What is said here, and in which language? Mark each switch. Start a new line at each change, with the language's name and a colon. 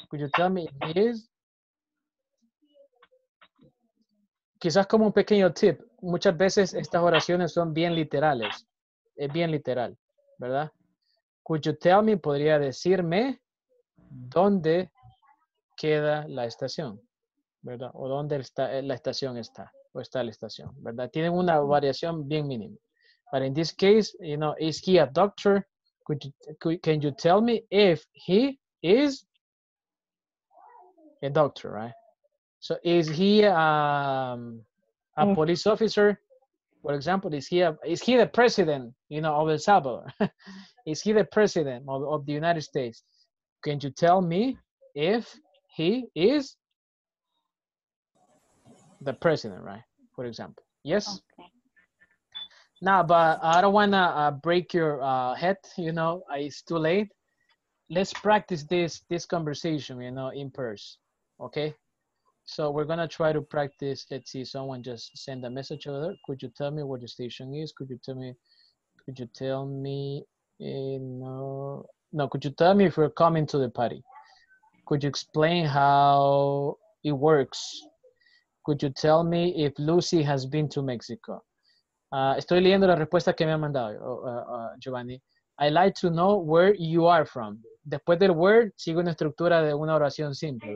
English: Could you tell me if he is,
Spanish: quizás como un pequeño tip, muchas veces estas oraciones son bien literales, es bien literal, ¿verdad?
English: Could you tell me,
Spanish: podría decirme, ¿dónde queda la estación? ¿Verdad? O dónde está la estación está, o está la estación, ¿verdad? Tienen una variación bien mínima.
English: But in this case, you know, is he a doctor? Can you tell me if he is a doctor, right? So is he a police officer? For example, is he the president, you know, of El Salvador? Is he the president of the United States? Can you tell me if he is the president, right? For example. Yes? Okay. No, but I don't want to break your head, you know. It's too late. Let's practice this conversation, you know, in person, okay? So we're going to try to practice. Let's see, someone just send a message over there. Could you tell me where the station is? Could you tell me? Could you tell me if you're coming to the party? Could you explain how it works? Could you tell me if Lucy has been to Mexico?
Spanish: Estoy leyendo la respuesta que me ha mandado, Giovanni.
English: I'd like to know where you are from.
Spanish: Después del word, sigue una estructura de una oración simple.